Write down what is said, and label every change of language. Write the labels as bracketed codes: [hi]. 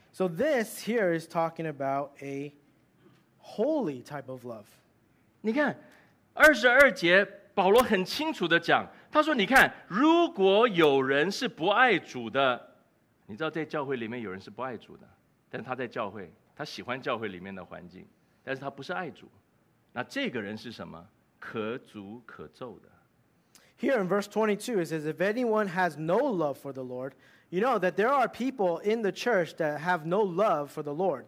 [en] So this here is talking about a holy type of love. [zh] 你看， 22节，保罗很清楚地讲，他说：“你看，如果有人是不爱主的，你知道在教会里面有人是不爱主的，但是他在教会，他喜欢教会里面的环境，但是他不是爱主，那这个人是什么？可诅可咒的。” [en] Here in verse 22, it says, if anyone has no love for the Lord, you know that there are people in the church that have no love for the Lord.